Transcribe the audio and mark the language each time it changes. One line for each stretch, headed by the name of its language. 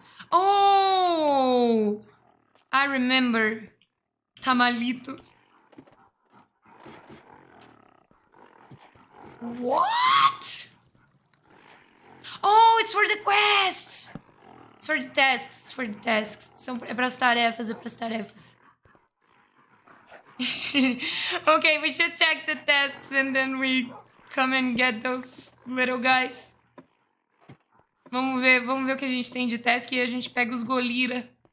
English: Oh! I remember. Tamalito. What? Oh, it's for the quests! It's for the tasks, it's for the tasks.
Portuguese: É para as tarefas, é para as tarefas.
English: Okay, we should check the tasks and then we... Come and get those little guys.
Portuguese: Vamos ver o que a gente tem de task e a gente pega os golira.